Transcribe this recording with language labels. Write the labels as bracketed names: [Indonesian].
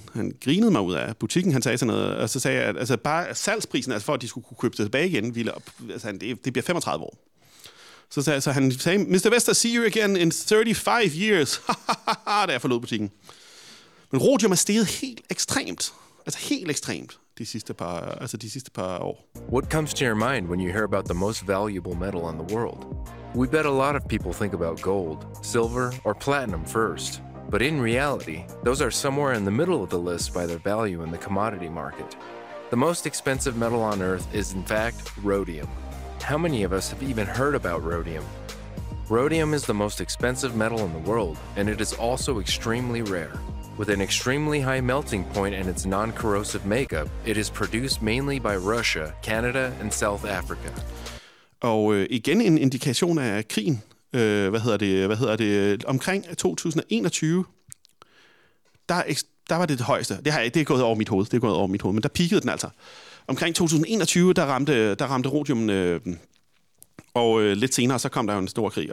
[Danish] Han grinede mig ud af butikken, han sagde sådan noget. Og så sagde jeg, at altså, bare salgsprisen, altså for at de skulle kunne købe det tilbage igen, ville op, altså, det bliver 35 år. Så han sagde, Mr. Vester, [English] see you again in 35 years. [Danish] Da jeg forlod butikken. Men rhodium er steget helt ekstremt. Altså helt ekstremt de sidste par år. [English] What comes to your mind when you hear about the most valuable metal in the world? We bet a lot of people think about gold, silver or platinum first. But in reality, those are somewhere in the middle of the list by their value in the commodity market. The most expensive metal on earth is in fact rhodium. How many of us have even heard about rhodium? Rhodium is the most expensive metal in the world, and it is also extremely rare. With an extremely high melting point and its non-corrosive makeup, it is produced mainly by Russia, Canada, and South Africa. [Danish] Og igen en indikation af krigen. Hvad hedder det? Omkring 2021, der var det højeste. Det er gået over mit hoved. Det er gået over mit hoved, men der peakede den altså. Omkring 2021, der ramte rhodium, og lidt senere, så kom der jo en stor krig.